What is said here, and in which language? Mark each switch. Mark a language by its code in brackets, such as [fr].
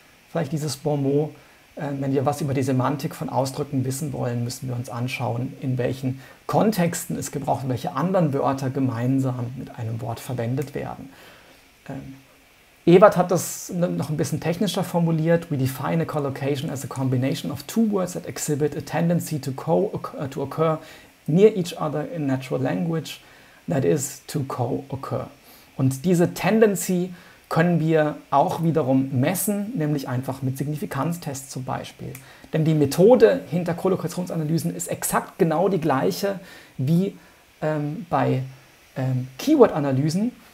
[de] Vielleicht dieses Bonmot, wenn wir was über die Semantik von Ausdrücken wissen wollen, müssen wir uns anschauen, in welchen Kontexten es gebraucht wird, welche anderen Wörter gemeinsam mit einem Wort verwendet werden. Ebert hat das noch ein bisschen technischer formuliert. [en] We define a collocation as a combination of two words that exhibit a tendency to occur near each other in natural language, that is, to co-occur. [de] Und diese Tendency können wir auch wiederum messen, nämlich einfach mit Signifikanztests zum Beispiel. Denn die Methode hinter Kollokationsanalysen ist exakt genau die gleiche wie bei Keyword-Analysen.